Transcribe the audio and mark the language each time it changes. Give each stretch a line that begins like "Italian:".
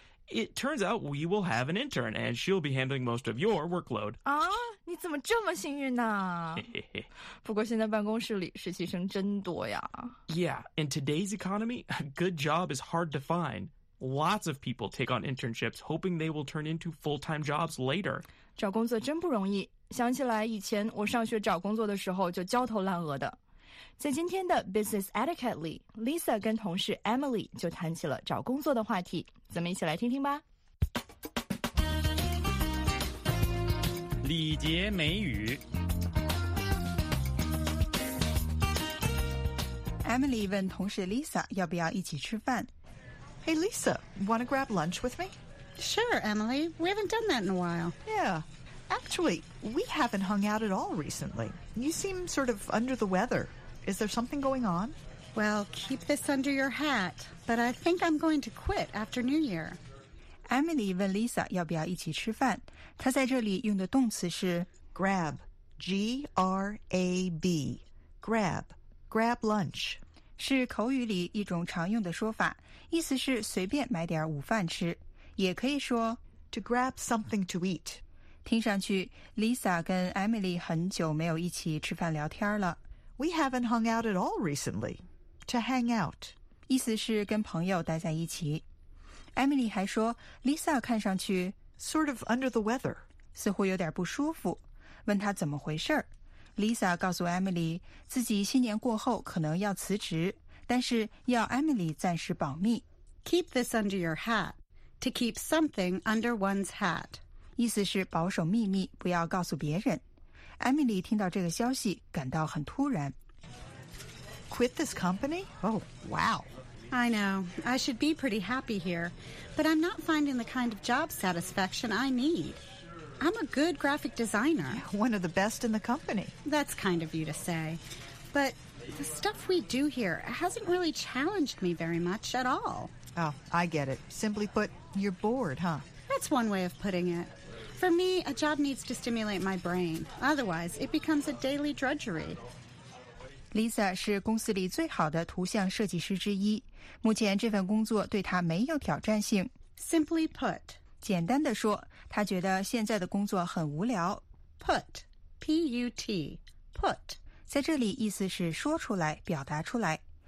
English: It turns out we will have an intern and she'll be handling most of your workload.
Chinese: 啊，你怎么这么幸运呢？不过现在办公室里实习生真多呀。
English: Yeah, in today's economy, a good job is hard to find. Lots of people take on internships hoping they will turn into full-time jobs later.
Chinese: 找工作真不容易，想起来以前我上学找工作的时候就焦头烂额的。在今天的 Business Etiquette 里， Lisa 跟同事 Emily 就谈起了找工作的话题，咱们一起来听听吧。礼节美语。 Emily 问同事 Lisa 要不要一起吃饭。
English: Hey Lisa, wanna grab lunch with me? Sure, Emily. We haven't done that in a while. Yeah. Actually, we haven't hung out at all recently. You seem sort of under the weather. Is there something going on? Well, keep this under your hat, but I think I'm going to quit after New Year.
Chinese: Emily 问 Lisa 要不要一起吃饭。她在这里用的动词是
English: grab, G-R-A-B, grab, grab lunch.
Chinese: 是口语里一种常用的说法，意思是随便买点午饭吃。也可以说
English: to grab something to eat.
Chinese: 听上去 Lisa 跟 Emily 很久没有一起吃饭聊天了。
English: We haven't hung out at all recently. To hang out.
Chinese: 意思是跟朋友待在一起。Emily 还说 Lisa 看上去
English: sort of under the weather.
Chinese: 似乎有点不舒服。问她怎么回事。 Lisa 告诉 Emily 自己新年过后可能要辞职，但是要 Emily 暂时保密。
English: Keep this under your hat. To keep something under one's hat.
Chinese: 意思是保守秘密，不要告诉别人。Emily 听到这个消息感到很突然。
English: Quit this company? Oh, wow. I know. I should be pretty happy here. But I'm not finding the kind of job satisfaction I need. I'm a good graphic designer. One of the best in the company. That's kind of you to say. But the stuff we do here hasn't really challenged me very much at all. Oh, I get it. Simply put, you're bored, huh? That's one way of putting it. For me, a job needs to stimulate my brain. Otherwise, it becomes a daily drudgery.
Chinese: Lisa 是公司里最好的图像设计师之一。目前这份工作对她没有挑战性。
English: Simply put.
Chinese: 简单地说，她觉得现在的工作很无聊。
English: Put. P-U-T. Put.
Chinese: 在这里意思是说出来，表达出来。